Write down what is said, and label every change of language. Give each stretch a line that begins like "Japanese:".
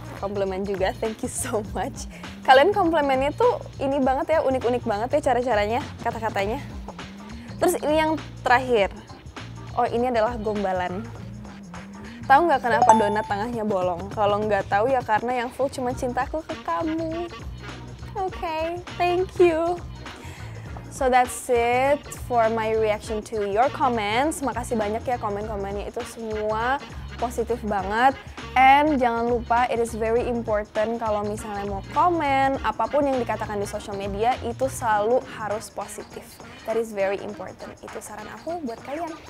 Indonesian: Compliment juga,
English: thank you so much.
Indonesian: Kalian komplimennya tuh ini banget ya, unik-unik banget ya cara-caranya, kata-katanya. Terus ini yang terakhir. Oh, ini adalah gombalan. Tahu nggak kenapa donat tengahnya bolong? Kalau nggak tahu ya karena yang full cuma cintaku ke kamu.
English: Okay, thank you. So that's it for my reaction to your comments.
Indonesian: Makasih banyak ya komen-komennya itu semua positif banget. And jangan lupa,
English: it is very important
Indonesian: kalau misalnya mau komen, apapun yang dikatakan di social media, itu selalu harus positif.
English: That is very important.
Indonesian: Itu saran aku buat kalian.